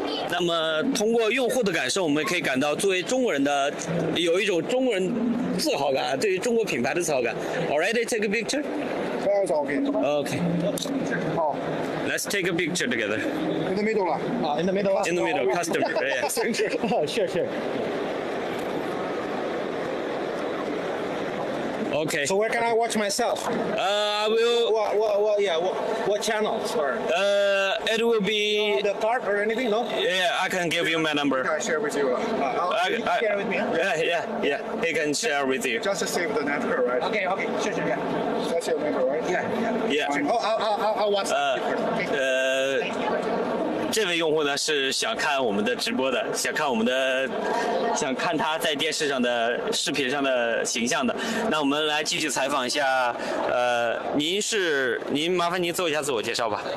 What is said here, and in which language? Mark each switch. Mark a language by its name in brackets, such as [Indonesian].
[Chinese] 那么通过用户的感受，我们可以感到作为中国人的有一种中国人自豪感，对于中国品牌的自豪感。 [English] Already take a picture. That's okay. Okay. [Chinese] 好。 [English] Let's take a picture together. In the middle, lah. In the middle. In the middle, customer. Yes. Sure. Okay. Okay. So where can I watch myself? I will. What channel? It will be. The card or anything? No. Yeah, I can give you my number. Can I share with you? Can you share with me? Yeah. He can share with you. Just to save the number, right? Okay. Sure. Yeah. That's your number, right? Yeah. Fine. I'll watch. Okay. [Chinese] 这位用户呢是想看我们的直播的，想看我们的，想看他在电视上的视频上的形象的。那我们来继续采访一下，您麻烦您做一下自我介绍吧。